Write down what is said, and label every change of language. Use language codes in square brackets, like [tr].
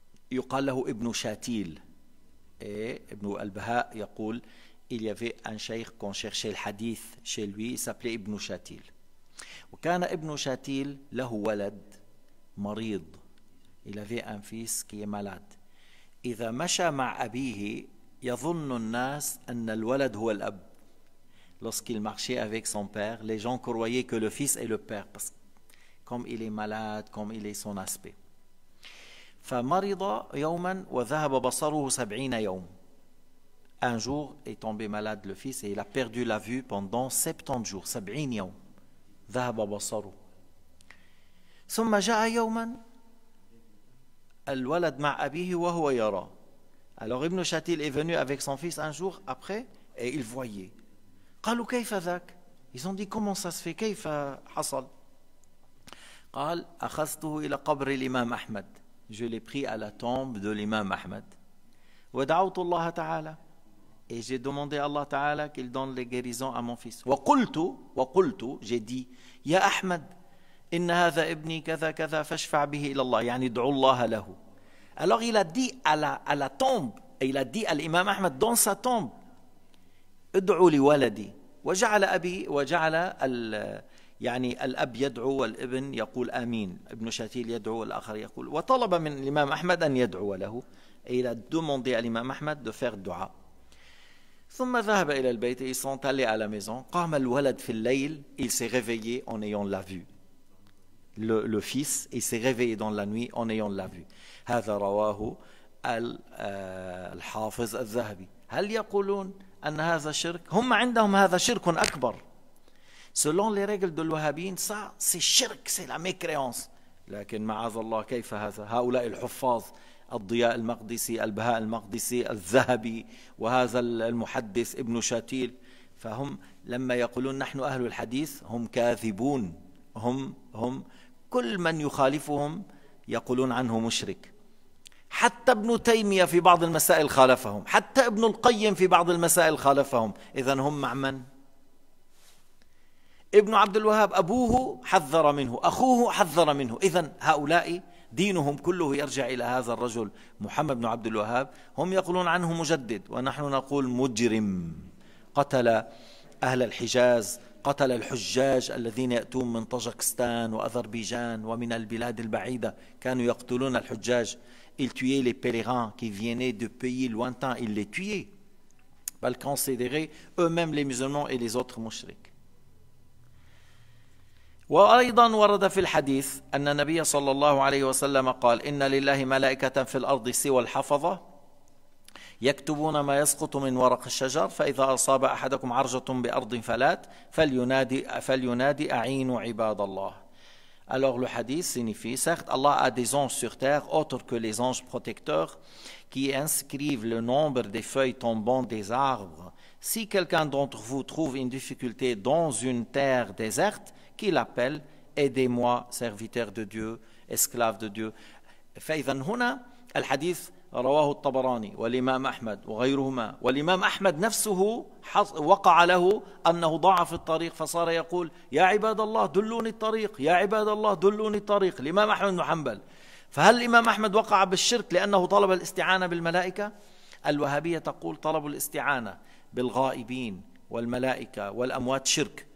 [ar] يقال له ابن شاتيل ابن البهاء يقول [fr] il y avait un شيخ qu'on cherchait le hadith chez lui il s'appelait ابن شاتيل [ar] وكان ابن شاتيل له ولد مريض [fr] il avait un fils qui est malade. [ar] إذا مشى مع أبيه يظن الناس أن الولد هو الأب. [fr] Lorsqu'il marchait avec son père, les gens croyaient que le fils est le père parce comme il est malade, comme il est son aspect. [ar] فمرض يوما وذهب بصره 70 يوم. [fr] Un jour est tombé malade le fils et il a perdu la vue pendant 70 jours. [ar] 70 يوم ذهب بصره. ثم جاء يوما الولد مع أبيه وهو يرى. [fr] Alors Ibn Shatil est venu avec son fils un jour après et il voyait. [ar] قالوا كيف ذاك؟ [fr] Ils ont dit comment ça se fait؟ [ar] كيف حصل؟ قال أخذته إلى قبر الإمام أحمد. [fr] Je l'ai pris à la tombe de l'imam Ahmed. [ar] ودعوت الله تعالى. [fr] Et j'ai demandé à Allah تعالى qu'il donne les guérisons à mon fils. [ar] وقلت [fr] j'ai dit [ar] يا أحمد إن هذا ابني كذا كذا فاشفع به إلى الله يعني دعو الله له. [fr] Alors il a dit à la tombe, il a dit à l'imam Ahmed dans sa tombe, [ar] ادعو لي ولدي. وجعل أبي وجعل ال يعني الأب يدعو والابن يقول آمين. ابن شاتيل يدعو والآخر يقول. وطلب من الإمام أحمد أن يدعو له. [fr] Il a demandé à l'imam Ahmed de faire دعاء. [ar] ثم ذهب إلى البيت. [fr] Ils sont allés à la maison. [ar] قام الولد في الليل. [fr] Il s'est réveillé en ayant la vue. Le fils, il s'est réveillé dans la nuit en ayant la vue. [ar] هذا رواه الحافظ الذهبي. هل يقولون أن هذا شرك؟ هم عندهم هذا شرك أكبر. [fr] Selon les règles de l'Ouhabine, ça c'est shirk, c'est la mécréance. [ar] لكن معاذ الله كيف هذا؟ هؤلاء الحفاظ الضياء المقدسي البهاء المقدسي الذهبي وهذا المحدث ابن شاتيل فهم لما يقولون نحن أهل الحديث هم كاذبون هم كل من يخالفهم يقولون عنه مشرك حتى ابن تيمية في بعض المسائل خالفهم حتى ابن القيم في بعض المسائل خالفهم إذن هم مع من؟ ابن عبد الوهاب أبوه حذر منه أخوه حذر منه إذن هؤلاء دينهم كله يرجع إلى هذا الرجل محمد بن عبد الوهاب، هم يقولون عنه مجدد ونحن نقول مجرم، قتل أهل الحجاز، قتل الحجاج الذين يأتون من طاجكستان وأذربيجان ومن البلاد البعيدة، كانوا يقتلون الحجاج. [fr] Il tuait les pèlerins qui venaient de pays lointains. Il les tuait. Ils considéraient eux-mêmes les musulmans et les autres mouchriques. [ar] وأيضا ورد في الحديث أن النبي صلى الله عليه وسلم قال إن لله ملائكة في الأرض سوى الحفظة يكتبون ما يسقط من ورق الشجر فإذا أصاب أحدكم عرجة بأرض فلات فلينادي أعين عباد الله. [fr] Alors le hadith signifie, certes Allah a des anges sur terre autres que les anges protecteurs qui inscrivent le nombre des feuilles tombant des arbres. Si quelqu'un d'entre vous trouve une difficulté dans une terre déserte, qu'il appelle, aidez-moi, serviteur de Dieu, esclave de Dieu. [ar] فإذن هنا الحديث رواه الطبراني والإمام أحمد وغيرهما والإمام أحمد نفسه وقع له أنه ضاع في الطريق فصار يقول يا عباد الله دلوني الطريق يا عباد الله دلوني الطريق الإمام أحمد بن حنبل. فهل الإمام أحمد وقع بالشرك لأنه طلب الاستعانة بالملائكة؟ الوهابية تقول طلب الاستعانة بالغائبين والملائكة والأموات شرك.